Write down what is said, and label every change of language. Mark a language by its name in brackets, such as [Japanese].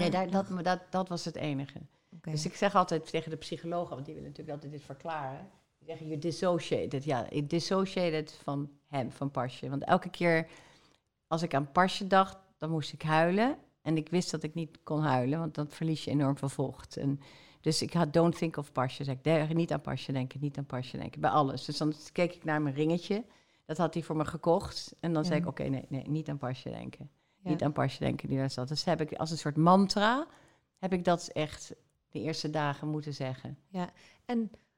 [Dutch] Nee, dat was het enige. Okay. Dus ik zeg altijd tegen de psychologen, want die willen natuurlijk altijd dit verklaren. Die zeggen, [English] you dissociated. [Dutch] Ja, ik dissociated van hem, van Pasje. Want elke keer als ik aan Pasje dacht, dan moest ik huilen. En ik wist dat ik niet kon huilen, want dan verlies je enorm veel vocht. En dus ik had [English] don't think of Pasje. [Dutch] Zeg ik, niet aan Pasje denken, niet aan Pasje denken. Bij alles. Dus dan keek ik naar mijn ringetje. Dat had hij voor me gekocht. En dan zei ik, oké, nee, niet aan Pasje denken. Ja. Niet aan Pasje denken. Die daar zat. Dus heb ik als een soort mantra, heb ik dat echt de eerste dagen moeten zeggen. Ja. En